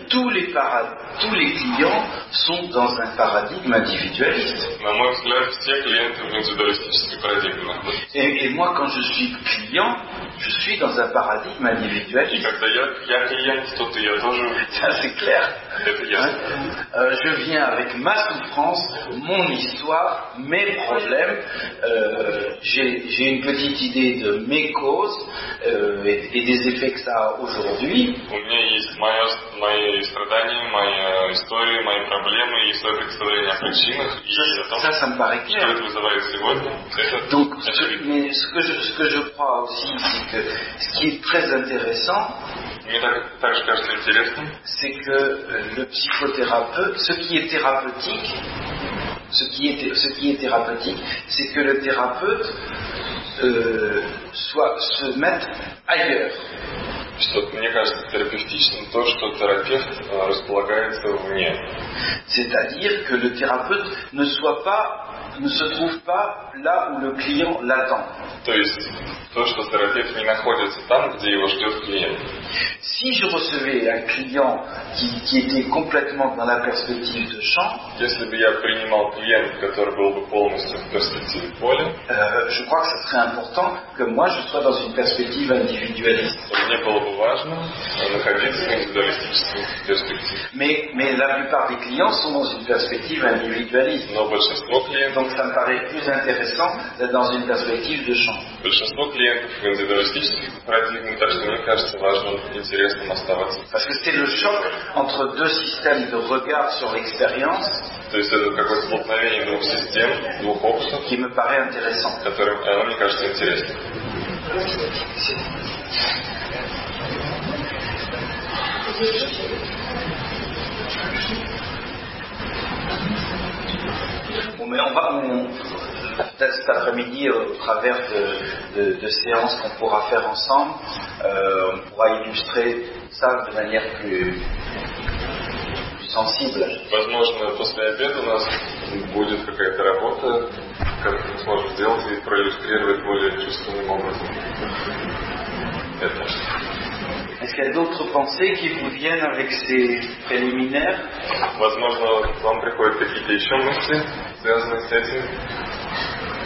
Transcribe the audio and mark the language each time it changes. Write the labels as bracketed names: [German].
[French] tous les clients sont dans un paradigme individualiste. [Russian] На мой взгляд, все клиенты в индивидуалистической парадигме. [French] Et moi, quand je suis client, je suis dans un paradigme individualiste. [Russian] И когда я клиент, то я тоже. [French] Ça, c'est clair. Je viens avec ma souffrance, mon histoire, mes problèmes. J'ai une petite idée de mes causes et des effets que ça a aujourd'hui. [Russian] У меня есть мои страдания, моя история, мои проблемы и свое представление о причинах. [French] Ça me paraît clair. [Russian] Что это вызывает сегодня? [French] Ce que je crois aussi, c'est que ce qui est très intéressant. [Russian] Мне так же кажется интересным. [French] C'est que le psychothérapeute, ce qui est thérapeutique, c'est que le thérapeute se mette ailleurs. [Russian] Что мне кажется терапевтичным то, что терапевт располагается вне. [French] C'est-à-dire que le thérapeute ne se trouve pas là où le client l'attend. [Russian] То есть то, что терапевт не находится там, где его ждет клиент. [French] Si je recevais un client qui était complètement dans la perspective de champ, [Russian] если бы я принимал клиента, который был бы полностью в перспективе поля, [French] je crois que ce serait important que moi je sois dans une perspective individualiste. [Russian] Мне было бы важно находиться в индивидуалистической перспективе. [French] Mais la plupart des clients sont dans une perspective individualiste. [Russian] Но большинство клиентов. [French] Donc ça me paraît plus intéressant d'être dans une perspective de champ. [Russian] большинство клиентов индивидуалистических противников, так что мне кажется важно интересным оставаться. [French] Parce que c'est le choc entre deux systèmes de regard sur l'expérience. [Russian] То есть это какое-то столкновение двух систем, двух опытов, [French] qui me paraît intéressant. [Russian] Которым оно мне кажется интересным. [French] Mais on va peut-être cet après-midi au travers de séances qu'on pourra faire ensemble, on pourra illustrer ça de manière plus sensible. [Russian] Возможно, после обеда у нас будет какая-то работа, которую мы сможем сделать и проиллюстрировать более чувственным образом. [French] Est-ce qu'il y a d'autres pensées qui vous viennent avec ces préliminaires? [Russian] Возможно, вам приходят какие-то еще мысли, связанные с этим?